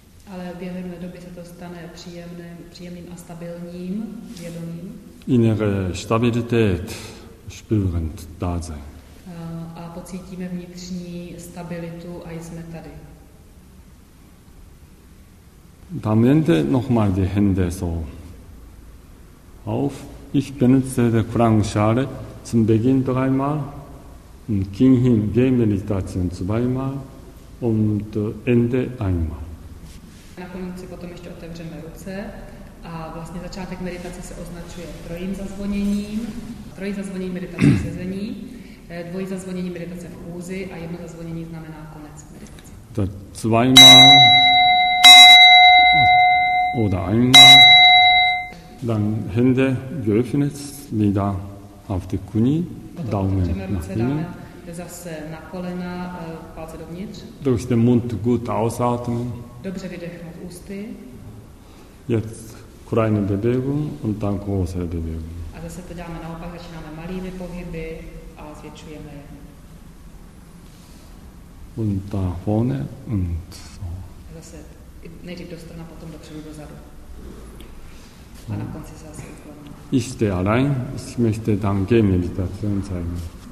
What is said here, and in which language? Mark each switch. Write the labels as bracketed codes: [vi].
[cs] Ale během doby se to stane příjemným a stabilním vědomím. [de] Innere Stabilität spürend da sein. [cs] A pocítíme vnitřní stabilitu a jsme tady. [de] Dann wende nochmal die Hände so auf. Ich benutze die Klangschale zum Beginn dreimal. Und Kinhin, Gehmeditation zweimal. Und Ende einmal. [cs] Na konci potom ještě otevřeme ruce a vlastně začátek meditace se označuje trojím zazvoněním. Trojí zazvonění meditace v sezení, dvojí zazvonění meditace v úzi a jedno zazvonění znamená konec meditace. [de] To zweimal oder einmal, dann Hände geöffnet, wieder auf die Knie, Daumen nach innen. [cs] Zase na kolena, palce dovnitř. [de] Durch den Mund gut ausatmen. [cs] Dobře vydechnout ústy. [de] Jetzt kleine Bewegung und dann große Bewegung. [cs] A zase to děláme naopak, začínáme malými pohyby a zvětšujeme je. [de] Und da vorne und so. [cs] A zase nejdřív do strana, potom dopředu dozadu. A na konci se zase ukloním. [de] Ich stehe allein, ich möchte dann gehen Meditation zeigen.